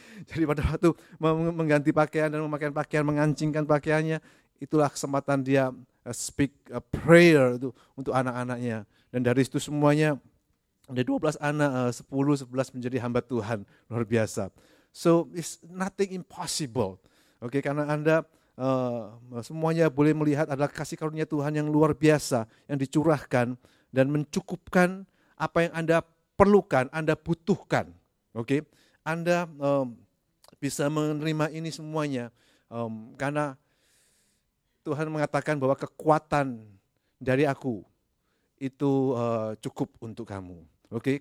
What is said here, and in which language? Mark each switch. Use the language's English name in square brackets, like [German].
[Indonesian] Jadi pada waktu mengganti pakaian dan memakaikan pakaian, mengancingkan pakaiannya, itulah kesempatan dia [English] speak a prayer [Indonesian] untuk anak-anaknya. Dan dari itu semuanya, ada 12 anak, 10, 11 menjadi hamba Tuhan, luar biasa. [English] So it's nothing impossible. [Indonesian] Oke, okay, karena Anda semuanya boleh melihat adalah kasih karunia Tuhan yang luar biasa yang dicurahkan dan mencukupkan apa yang Anda perlukan, Anda butuhkan. Oke, okay? Anda bisa menerima ini semuanya karena Tuhan mengatakan bahwa kekuatan dari aku itu cukup untuk kamu. Oke, okay?